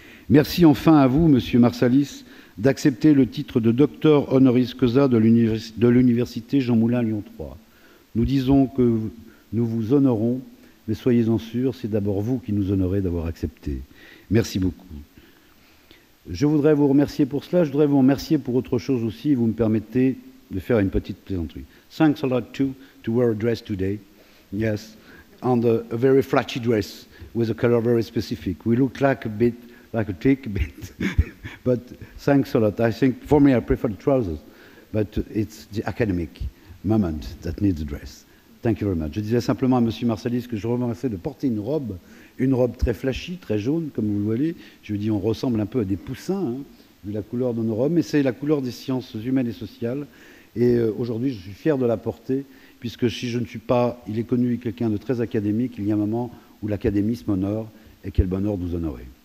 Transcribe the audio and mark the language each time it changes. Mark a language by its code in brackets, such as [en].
[fr] Merci enfin à vous, Monsieur Marsalis, d'accepter le titre de docteur honoris causa de l'Université Jean Moulin Lyon 3. Nous disons que nous vous honorons, mais soyez-en sûrs, c'est d'abord vous qui nous honorez d'avoir accepté. Merci beaucoup. Je voudrais vous remercier pour cela, je voudrais vous remercier pour autre chose aussi, vous me permettez de faire une petite plaisanterie. [en] Thanks a lot to wear a dress today. Yes, and a very flashy dress with a color very specific. We look like a bit, like a chick a bit. But thanks a lot. I think for me, I prefer the trousers. But it's the academic moment that needs a dress. Thank you very much. [fr] Je disais simplement à M. Marsalis que je remerciais de porter une robe très flashy, très jaune, comme vous le voyez. Je lui dis, on ressemble un peu à des poussins, hein, vu la couleur de nos robes, mais c'est la couleur des sciences humaines et sociales. Et aujourd'hui, je suis fier de la porter, puisque si je ne suis pas, il est connu, quelqu'un de très académique, il y a un moment où l'académisme honore, et quel bonheur de vous honorer.